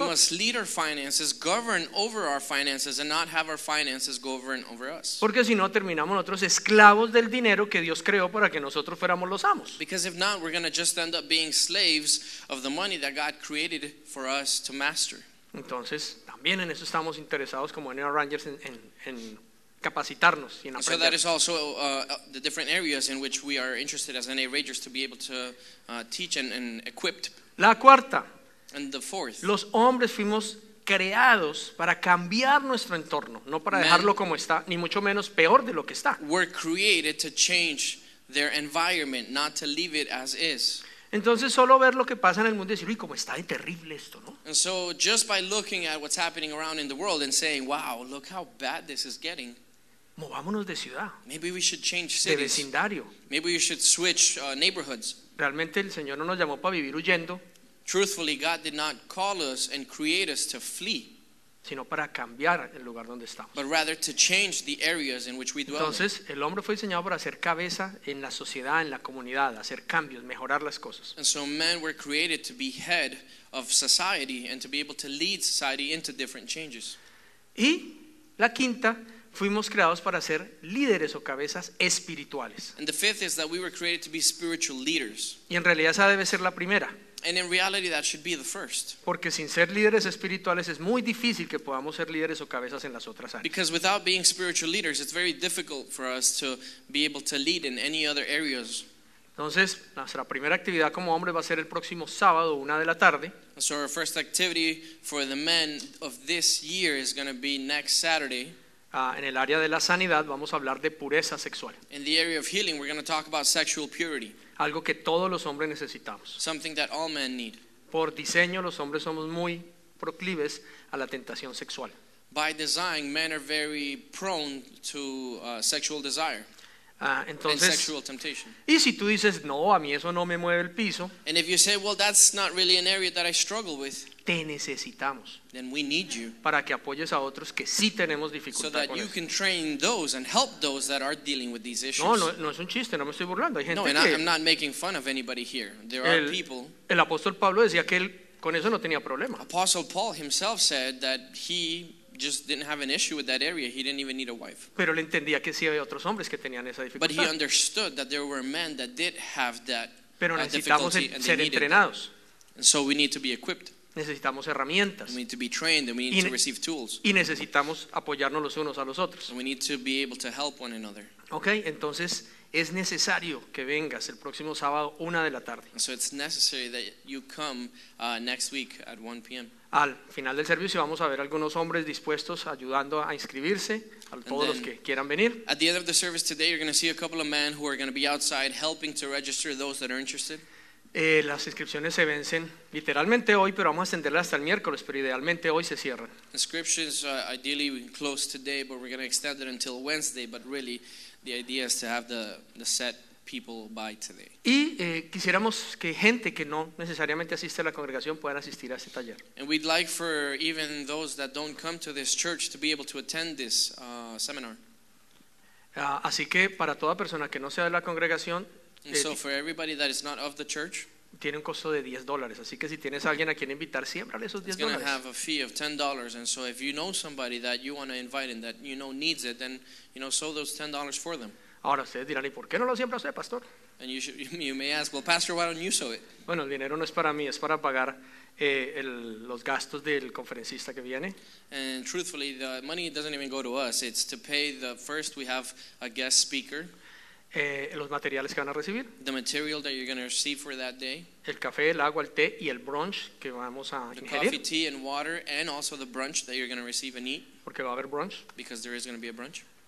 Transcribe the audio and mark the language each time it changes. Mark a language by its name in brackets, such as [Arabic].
[English] We must lead our finances, govern over our finances, and not have our finances govern over us. [Spanish] Porque si no, terminamos nosotros esclavos del dinero que Dios creó para que nosotros fuéramos los amos. [English] Because if not, we're going to just end up being slaves of the money that God created for us to master. [Spanish] Entonces, también en eso estamos interesados como NA Rangers en capacitarnos y en aprender. [English] So that is also the different areas in which we are interested as NA Rangers to be able to teach and equip. [Spanish] La cuarta. [English] And the fourth. [Spanish] Los hombres fuimos creados para cambiar nuestro entorno, no para dejarlo como está, ni mucho menos peor de lo que está. [English] We're created to change their environment, not to leave it as is. [Spanish] Entonces solo ver lo que pasa en el mundo y decir, uy, cómo está de terrible esto, ¿no? [English] And so just by looking at what's happening around in the world and saying, wow, look how bad this is getting. [Spanish] Movámonos de ciudad. [English] Maybe we should change cities. [Spanish] De vecindario. [English] Maybe we should switch neighborhoods. [Spanish] Realmente el Señor no nos llamó para vivir huyendo. [English] Truthfully, God did not call us and create us to flee. [Spanish] Sino para cambiar el lugar donde estamos. [English] But rather to change the areas in which we dwell. [Spanish] Entonces, el hombre fue diseñado para hacer cabeza en la sociedad, en la comunidad, hacer cambios, mejorar las cosas. [English] And so men were created to be head of society and to be able to lead society into different changes. [Spanish] Y la quinta, fuimos creados para ser líderes o cabezas espirituales. [English] And the fifth is that we were created to be spiritual leaders. [Spanish] Y en realidad esa debe ser la primera. [English] And in reality, that should be the first. [Spanish] Porque sin ser líderes espirituales es muy difícil que podamos ser líderes o cabezas en las otras áreas. [English] Because without being spiritual leaders, it's very difficult for us to be able to lead in any other areas. [Spanish] Entonces, nuestra primera actividad como hombre va a ser el próximo sábado, 1:00 p.m. [English] So our first activity for the men of this year is going to be next Saturday. [Spanish] En el área de la sanidad vamos a hablar de pureza sexual. [English] In the area of healing, we're going to talk about sexual purity. [Spanish] Algo que todos los hombres necesitamos. [English] Something that all men need. [Spanish] Por diseño, los hombres somos muy proclives a la tentación sexual. [English] By design, men are very prone to sexual desire. [Spanish] Entonces, [English] and sexual temptation. [Spanish] Y si tú dices, no, a mí eso no me mueve el piso. [English] And if you say, well, that's not really an area that I struggle with. [Spanish] Te necesitamos. [English] Then we need you. [Spanish] Para que apoyes a otros que sí tenemos dificultad con eso. [English] So that you can train those and help those that are dealing with these issues. [Spanish] No es un chiste, no me estoy burlando. Hay gente que... [English] I'm not making fun of anybody here. There are people. [Spanish] El apóstol Pablo decía que él con eso no tenía problema. [English] Apostle Paul himself said that he just didn't have an issue with that area. He didn't even need a wife. [Spanish] Pero él entendía que sí había otros hombres que tenían esa dificultad. [English] But he understood that there were men that did have that difficulty. [Spanish] Pero necesitamos ser entrenados. [English] And so we need to be equipped. [Spanish] Necesitamos herramientas. [English] We need to be trained and we need to receive tools. [Spanish] Y necesitamos apoyarnos los unos a los otros. [English] And we need to be able to help one another. [Spanish] Okay, entonces es necesario que vengas el próximo sábado 1:00 p.m. [English] So it's necessary that you come next week at 1 p.m. [Spanish] Al final del servicio vamos a ver algunos hombres dispuestos ayudando a inscribirse a todos los que quieran venir. [English] At the end of the service today you're going to see a couple of men who are going to be outside helping to register those that are interested. [Spanish] Las inscripciones se vencen literalmente hoy, pero vamos a extenderlas hasta el miércoles, pero idealmente hoy se cierran. [English] Inscriptions ideally close today, but we're going to extend it until Wednesday, but really the idea is to have the set people by today. [Spanish] Y quisiéramos que gente que no necesariamente asiste a la congregación puedan asistir a este taller. [English] And we'd like for even those that don't come to this church to be able to attend this seminar. [Spanish] Así que para toda persona que no sea de la congregación, [English] and so for everybody that is not of the church, [Spanish] tiene un costo de $10, así que si tienes alguien a quien invitar, siembrale esos $10. [English] It's going to have a fee of $10, and so if you know somebody that you want to invite and that you know needs it, then you know, sow those $10 for them. [Spanish] Ahora ustedes dirán, ¿y por qué no lo siembra usted, pastor? [English] And you should, you may ask, well, pastor, why don't you sow it? [Spanish] Bueno, el dinero no es para mí, es para pagar los gastos del conferencista que viene. [English] And truthfully, the money doesn't even go to us. It's to pay the first, we have a guest speaker. [Spanish] Los materiales que van a recibir. [English] The material that you're going to receive for that day. [Spanish] El café, el agua, el té y el brunch que vamos a ingerir. [English] The coffee, tea, and water, and also the brunch that you're going to receive and eat. [Spanish] Porque va a haber brunch. [English] Because there is going to be a brunch.